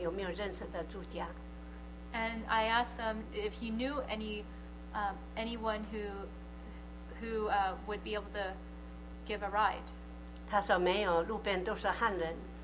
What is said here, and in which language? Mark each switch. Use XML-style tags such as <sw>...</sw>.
<zh>有没有认识的住家</zh> <en>？And I asked them if he knew anyone who would be able to give a ride.</en> <zh>他说没有，路边都是汉人。</zh>